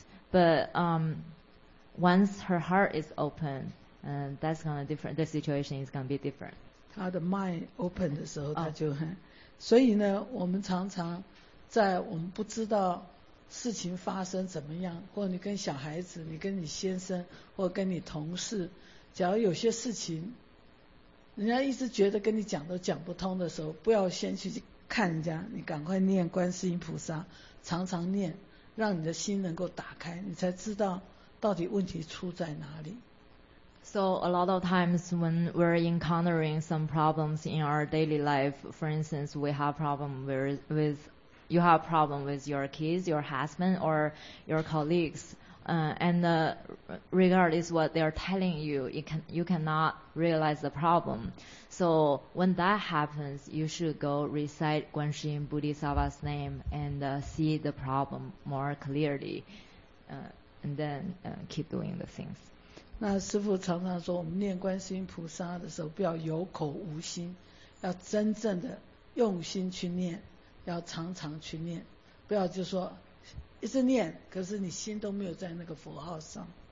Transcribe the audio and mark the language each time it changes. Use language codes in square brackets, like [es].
[en] But once her heart is open, that's gonna be different. The situation is gonna be different. [zh] 她的 [en] mind open [zh] 的时候，她就很。所以呢，我们常常在我们不知道事情发生怎么样，或你跟小孩子，你跟你先生，或跟你同事。假如有些事情人家一直觉得跟你讲都讲不通的时候，不要先去看人家，你赶快念观世音菩萨，常常念，让你的心能够打开，你才知道到底问题出在哪里。 [en] So a lot of times when we're encountering some problems in our daily life, for instance, we have problem with you have problem with your kids, your husband or your colleagues,And regardless what they are telling you, you cannot realize the problem. So when that happens, you should go recite Guan Shi Yin Bodhisattva's name and see the problem more clearly, and then keep doing the things. [zh] 那师父常常说，我们念观世音菩萨的时候，不要有口无心，要真正的用心去念，要常常去念，不要就说。一直念，可是你心都没有在那个符号上。